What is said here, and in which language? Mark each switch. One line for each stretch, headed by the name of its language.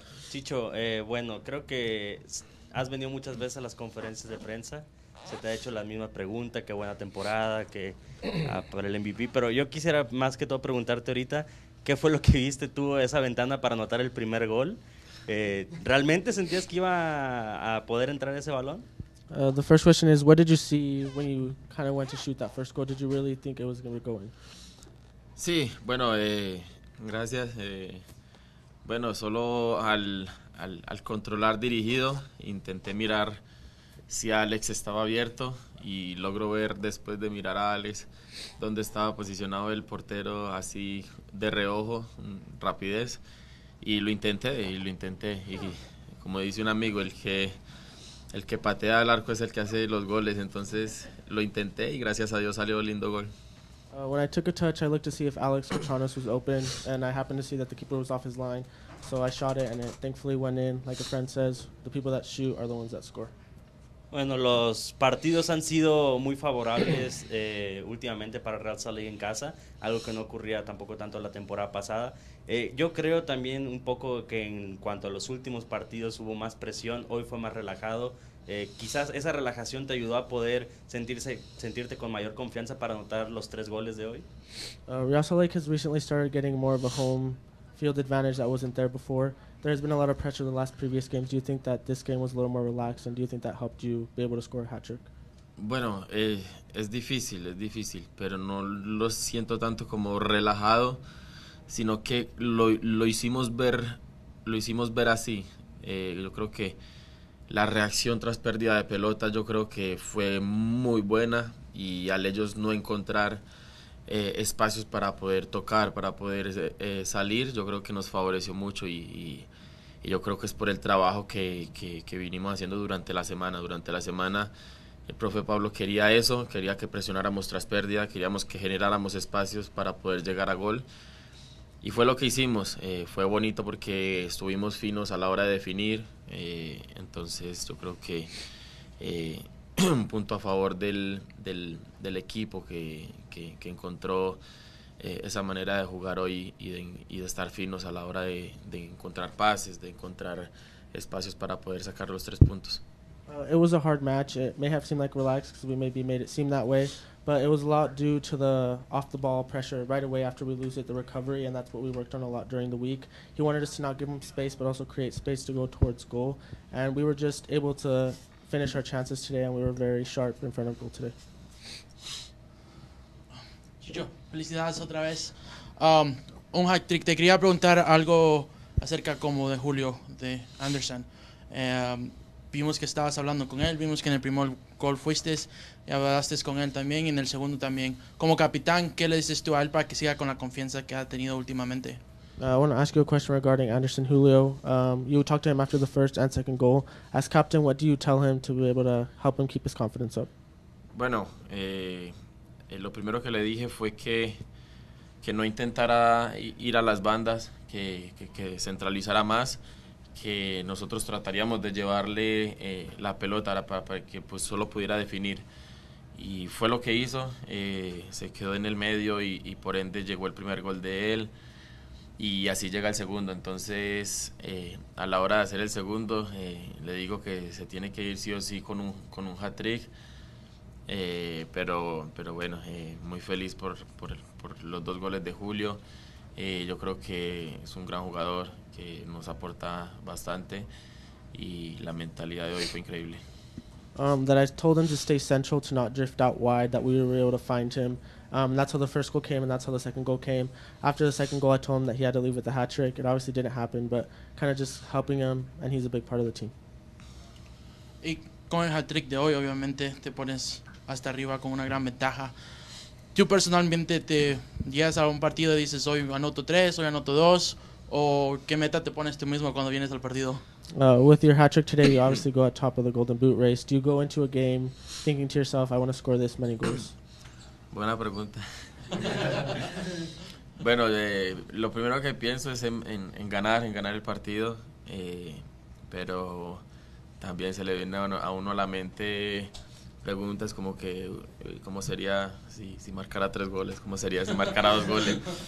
Spanish: Chicho, bueno, creo que has venido muchas veces a las conferencias de prensa. Se te ha hecho la misma pregunta, qué buena temporada, que para el MVP. Pero yo quisiera más que todo preguntarte ahorita, ¿qué fue lo que viste tú esa ventana para anotar el primer gol? ¿Realmente sentías que iba a poder entrar ese balón?
English: The first question is, what did you see when you kind of went to shoot that first goal? Did you really think it was going to go in?
Spanish: Sí, bueno, gracias. Bueno, solo al controlar dirigido, intenté mirar si Alex estaba abierto y logro ver, después de mirar a Alex, dónde estaba posicionado el portero, así de reojo, rapidez, y lo intenté. Y como dice un amigo, el que patea el arco es el que hace los goles, entonces lo intenté y gracias a Dios salió un lindo gol.
English: When I took a touch, I looked to see if Alex Cochranos was open, and I happened to see that the keeper was off his line, so I shot it, and it thankfully went in. Like a friend says, the people that shoot are the ones that score.
Spanish: Bueno, los partidos han sido muy favorables últimamente para Real Salt Lake en casa, algo que no ocurría tampoco tanto la temporada pasada. Yo creo también un poco que en cuanto a los últimos partidos hubo más presión, hoy fue más relajado. Quizás esa relajación te ayudó a poder sentirte con mayor confianza para anotar los tres goles de hoy.
English: Real Salt Lake has recently started getting more of a home field advantage that wasn't there before. There has been a lot of pressure the last previous games. Do you think that this game was a little more relaxed, and do you think that helped you be able to score a hat-trick?
Spanish: Bueno, es difícil, pero no lo siento tanto como relajado, sino que lo hicimos ver así. Yo creo que la reacción tras pérdida de pelota, yo creo que fue muy buena, y al ellos no encontrar espacios para poder tocar, para poder salir, yo creo que nos favoreció mucho, y yo creo que es por el trabajo que vinimos haciendo durante la semana. Durante la semana el profe Pablo quería eso, quería que presionáramos tras pérdida, queríamos que generáramos espacios para poder llegar a gol, y fue lo que hicimos. Fue bonito porque estuvimos finos a la hora de definir, entonces yo creo que un punto a favor del equipo que encontró esa manera de jugar hoy y de estar finos a la hora de encontrar pases, de encontrar espacios para poder sacar los tres puntos.
English: It was a hard match. It may have seemed like relaxed because we maybe made it seem that way, but it was a lot due to the off-the-ball pressure right away after we lose it, the recovery, and that's what we worked on a lot during the week. He wanted us to not give him space, but also create space to go towards goal, and we were just able to finish our chances today, and we were very sharp in front of goal today.
Spanish: Chicho, felicidades otra vez. Un hat-trick. Te quería preguntar algo acerca como de Julio, de Anderson. Vimos que estabas hablando con él, vimos que en el primer gol fuiste y hablaste con él también, y en el segundo también. Como capitán, ¿qué le dices tú a él para que siga con la confianza que ha tenido últimamente?
English: I want to ask you a question regarding Anderson Julio. You talked to him after the first and second goal. As captain, what do you tell him to be able to help him keep his confidence up?
Spanish: Bueno, lo primero que le dije fue que no intentara ir a las bandas, que centralizara más, que nosotros trataríamos de llevarle la pelota para que pues solo pudiera definir. Y fue lo que hizo. Se quedó en el medio y por ende llegó el primer gol de él. Y así llega el segundo. Entonces, a la hora de hacer el segundo, le digo que se tiene que ir sí o sí con un hat-trick. Pero bueno, muy feliz por los dos goles de Julio. Yo creo que es un gran jugador que nos aporta bastante, y la mentalidad de hoy fue increíble.
English: That I told him to stay central, to not drift out wide, that we were able to find him. That's how the first goal came, and that's how the second goal came. After the second goal, I told him that he had to leave with the hat-trick. It obviously didn't happen, but kind of just helping him, and he's a big part of the team.
Spanish: Y con el hat-trick de hoy, obviamente, te pones hasta arriba con una gran ventaja. ¿Tú personalmente te llegas a un partido y dices, hoy anoto tres, hoy anoto dos, o qué meta te pones tú mismo cuando vienes al partido?
English: With your hat-trick today, you obviously go at top of the golden boot race. Do you go into a game thinking to yourself, I want to score this many goals?
Spanish: Buena pregunta. Bueno, lo primero que pienso es en ganar el partido, pero también se le viene a uno a la mente preguntas como que cómo sería si marcara tres goles, cómo sería si marcara dos goles.